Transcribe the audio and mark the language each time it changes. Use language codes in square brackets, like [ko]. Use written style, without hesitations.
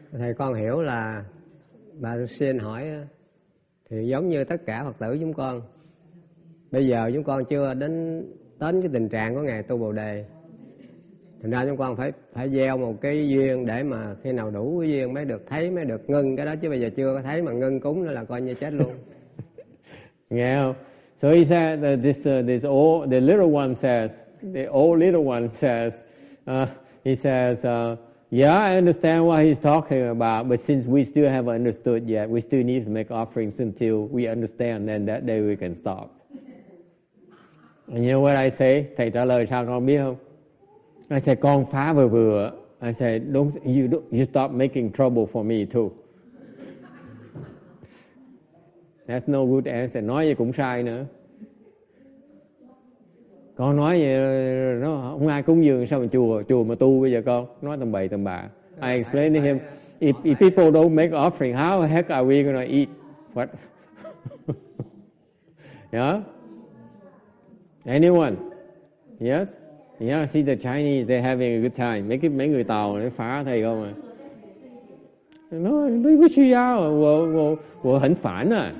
[vi] Thầy con hiểu là bà xin hỏi thì giống như tất cả Phật tử chúng con, bây giờ chúng con chưa đến cái tình trạng của ngài Tu Bồ Đề, thành ra chúng con phải gieo một cái duyên để mà khi nào đủ cái duyên mới được thấy, mới được ngưng cái đó, chứ bây giờ chưa có thấy mà ngưng cúng nữa là coi như chết luôn. Nghe không? [en] So he said that this old, the little one says, the old little one says, he says, yeah, I understand what he's talking about, but since we still haven't understood yet, we still need to make offerings until we understand, then that day we can stop. And you know what I say? [vi] Thầy trả lời sao con biết không? [en] I said, [vi] con phá vừa vừa. [en] I said, don't you stop making trouble for me too. That's no good answer. [vi] Nói vậy cũng sai nữa. Con nói vậy nó không ai cúng dường sao mà chùa mà tu bây giờ con nói tầm bậy tầm bạ. [en] I explained to him, if people don't make offering, how the heck are we gonna eat? What? Yeah? Anyone? Yes? Yeah, see the Chinese, they're having a good time. [vi] Mấy người Tàu nó phá thầy không à. Nó mấy cái suy giáo à, vô hẳn phản à.